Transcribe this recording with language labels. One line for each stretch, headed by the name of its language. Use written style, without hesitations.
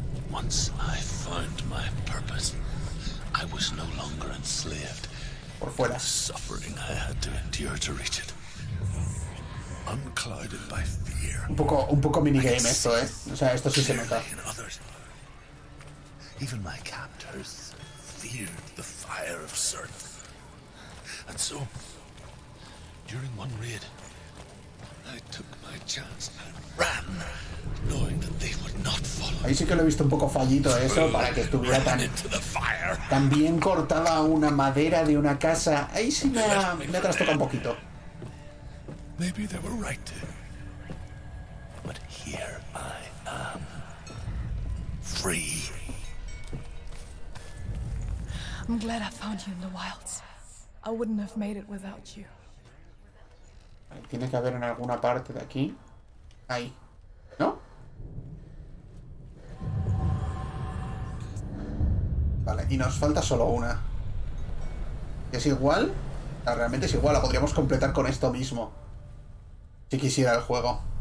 English: Once I found my purpose, I was no longer enslaved.
Spanish: Por fuera.
English: Suffering I had to endure to reach it. Unclouded by fear.
Spanish: Un poco minigame esto, ¿eh? O sea, esto sí se nota.
English: Even my captors feared the fire of Surt. And so, during one raid, I took my chance and ran, knowing that they would not follow.
Spanish: Ahí sí que lo he visto un poco fallito eso, para que estuviera tan bien cortada una madera de una casa. Ahí sí me trastoca un poquito.
English: Maybe they were right. But here I am. Free. I'm glad I found you in the wilds. I wouldn't have made it without you.
Spanish: Tiene que haber en alguna parte de aquí. Ahí. ¿No? Vale, y nos falta solo una. ¿Es igual? Realmente es igual, la podríamos completar con esto mismo. Si quisiera el juego.